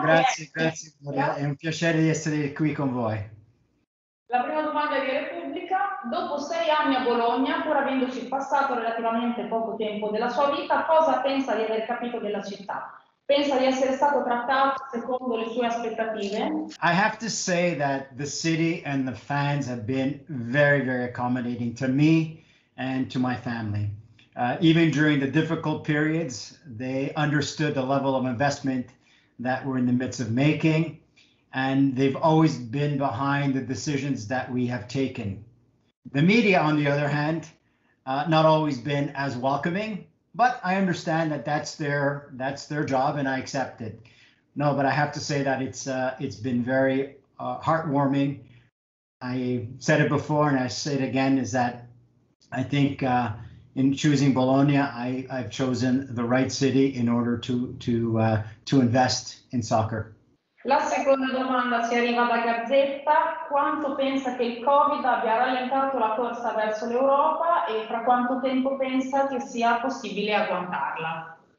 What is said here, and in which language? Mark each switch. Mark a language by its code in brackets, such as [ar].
[it] Grazie, grazie, è un piacere di essere qui con voi. La prima domanda è di Repubblica. Dopo 6 anni a Bologna, pur avendoci passato relativamente poco tempo della sua vita, cosa pensa di aver capito della città? Pensa di essere stato trattato secondo le sue aspettative? [en] I have to say that the city and the fans have been very, very accommodating to me and to my family. Even during the difficult periods, they understood the level of investment that we're in the midst of making, and they've always been behind the decisions that we have taken. The media, on the other hand, not always been as welcoming, but I understand that that's their job, and I accept it. No, but I have to say that it's been very heartwarming. I said it before, and I say it again, is that I think in choosing Bologna, I've chosen the right city in order to invest in soccer. [it] La seconda domanda ci arriva da Gazzetta. Quanto pensa che il Covid abbia rallentato la corsa verso l'Europa e fra quanto tempo pensa che sia possibile agguantarla?